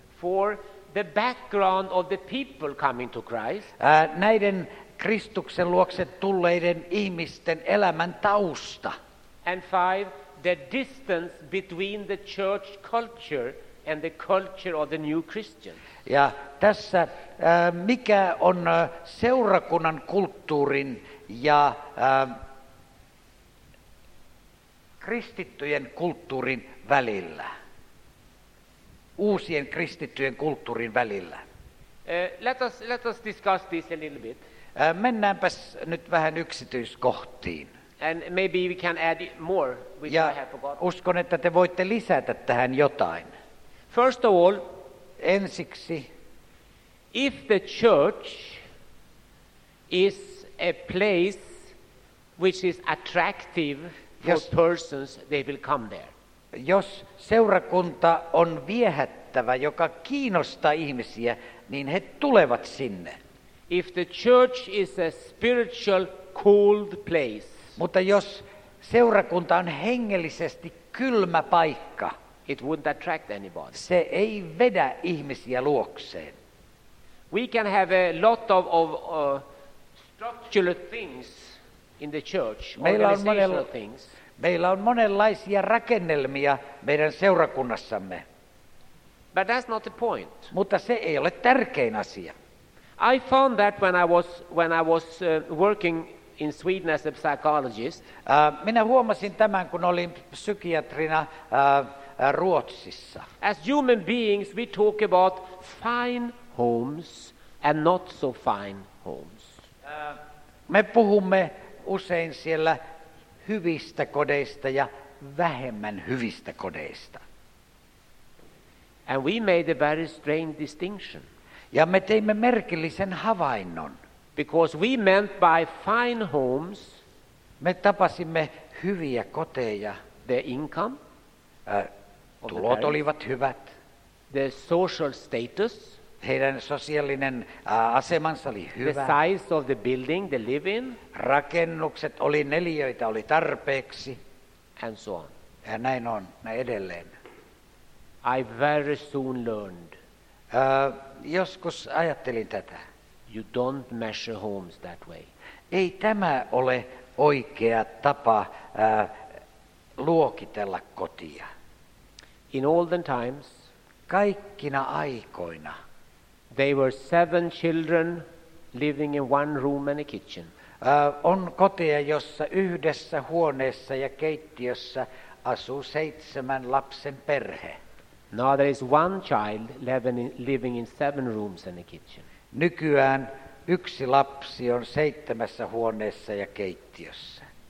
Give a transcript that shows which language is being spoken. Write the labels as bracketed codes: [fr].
[en] Four, the background of the people coming to Christ. [fi] Näiden Kristuksen luokse tulleiden ihmisten elämän tausta. [en] And five, the distance between the church culture and the culture of the new Christian. [fi] Ja tässä mikä on seurakunnan kulttuurin ja kristittyjen kulttuurin välillä? Uusien kristittyjen kulttuurin välillä. [en] Let us discuss this a little bit. [fi] Mennäänpäs nyt vähän yksityiskohtiin. [en] And maybe we can add more, which [fi] ja [en] I have forgotten. [fi] Uskon, että te voitte lisätä tähän jotain. [en] First of all, [fi] ensiksi, [en] if the church is a place which is attractive for persons, they will come there. [fi] Jos seurakunta on viehättävä, joka kiinnostaa ihmisiä, niin he tulevat sinne. [en] If the church is a spiritual cold place, [fi] mutta jos seurakunta on hengellisesti kylmä paikka, [en] it wouldn't attract anybody. [fi] Se ei vedä ihmisiä luokseen. [en] We can have a lot of structural things in the church, organizational things. [fi] Meillä on monenlaisia rakennelmia meidän seurakunnassamme. [en] But that's not the point. [fi] Mutta se ei ole tärkein asia. [en] I found that when I was working in Sweden as a psychologist. [fi] Minä huomasin tämän, kun olin psykiatrina Ruotsissa. [en] As human beings, we talk about fine homes and not so fine homes. [fi] Me puhumme usein siellä hyvistä kodeista ja vähemmän hyvistä kodeista. [en] And we made a very strange distinction. [fi] Ja me teimme merkillisen havainnon. [en] Because we meant by fine homes, [fi] me tapasimme hyviä koteja. [en] The income, [fi] tulot olivat hyvät. [en] The social status, [fi] heidän sosiaalinen asemansa oli hyvä. [en] The size of the building they live in, [fi] rakennukset oli neliöitä oli tarpeeksi. [en] And so on. [fi] Ja näin on, näin edelleen. [en] I very soon learned. [fi] Joskus ajattelin tätä. [en] You don't measure homes that way. [fi] Ei tämä ole oikea tapa luokitella kotia. [en] In olden times, [fi] kaikkina aikoina, [en] they were seven children living in one room and a kitchen. [fi] On koteja, jossa yhdessä huoneessa ja keittiössä asuu 7 lapsen perhe. [en] Now there is one child living in 7 rooms and a kitchen. [fi] Nykyään yksi lapsi on 7 huoneessa ja keittiössä.